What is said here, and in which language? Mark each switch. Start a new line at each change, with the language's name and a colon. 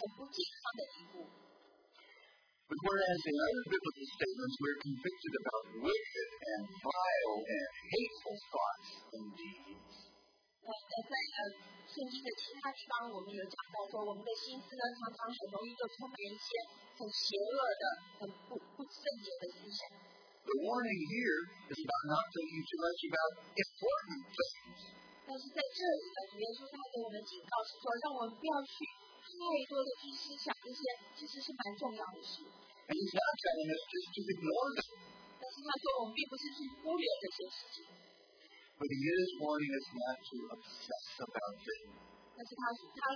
English: But whereas in other biblical statements we're convicted about wicked and vile and hateful thoughts and deeds, the warning here is about not thinking too much about important things.
Chinese: 但是在这里呢，耶稣他给我们警告是说，让我们不要去太多的去思想一些，其实是蛮重要的事。
English: And he's not telling us just to ignore them.
Chinese: 但是他说，我们并不是去忽略这些事情。
English: But he is warning us not to obsess about things.